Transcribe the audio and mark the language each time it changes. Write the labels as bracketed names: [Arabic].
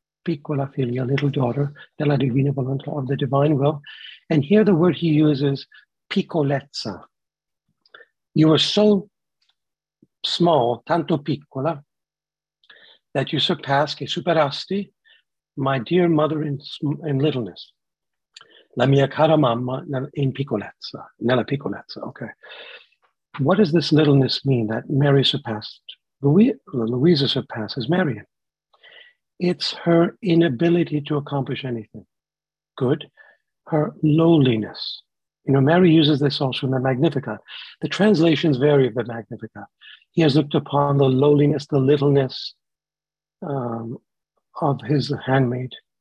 [Italian] Piccola figlia, [English] little daughter [Italian] della divina volontà, [English] of the divine will. And here the word he uses, piccolezza. You were so small, [Italian] tanto piccola, [English] that you surpassed, [Italian] che superasti, [English] my dear mother in littleness. [Italian] La mia cara mamma in piccolezza, nella piccolezza, okay. [English] What does this littleness mean that Mary surpassed, Louisa surpasses Mary? It's her inability to accomplish anything. Good. Her lowliness. You know, Mary uses this also in the Magnificat. The translations vary of the Magnificat. He has looked upon the lowliness, the littleness of his handmaid.